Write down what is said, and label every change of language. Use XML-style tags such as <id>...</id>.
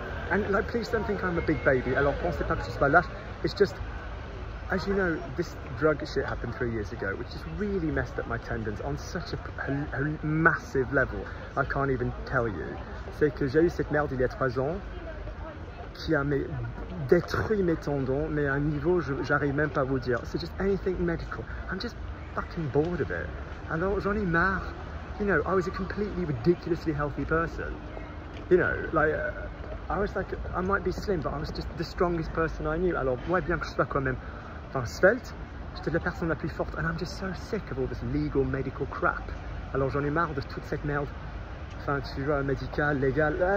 <en>And like, please don't think I'm a big baby.</en> <fr>Alors, pensez pas que je sois lâche.</fr> <en>It's just, as you know, this drug shit happened 3 years ago, which has really messed up my tendons on such a massive level. I can't even tell you.</en> <fr>C'est que j'ai eu cette merde il y a 3 ans, qui a détruit mes tendons, mais à un niveau, j'arrive même pas à vous dire.</fr> <en>C'est just anything medical. I'm just fucking bored of it.</en> <fr>Alors, j'en ai marre.</fr> <en>You know, I was a completely ridiculously healthy person. You know, like. I was like, I might be slim, but I was just the strongest person I knew.</en> <fr>Alors, ouais, bien que je sois quand même enfin, svelte, j'étais la personne la plus forte.</fr> <en>And I'm just so sick of all this legal, medical crap.</en> <fr>Alors, j'en ai marre de toute cette merde. Enfin, tu vois, médical, légal.</fr>